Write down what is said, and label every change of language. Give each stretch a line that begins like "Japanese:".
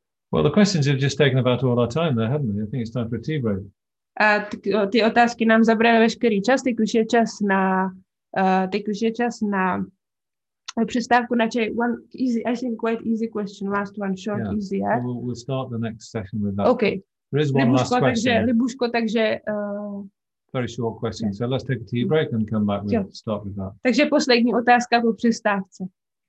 English: Well, the questions have just taken about all our time there, haven't they? I think it's time for tea break.
Czech: A ty otázky nám zabraly veškerý čas, teď už je čas na přestávku na čaj.
English: One easy, I think quite easy question. Last one, short, yeah. Easy. Yeah. We'll start the next session with that. Okay. There is one Libuško, last question.
Czech: Libuško, takže.
English: Very short question. Yeah. So let's take a tea break and come back. Start with that.
Czech: Takže poslední otázka po přestávce.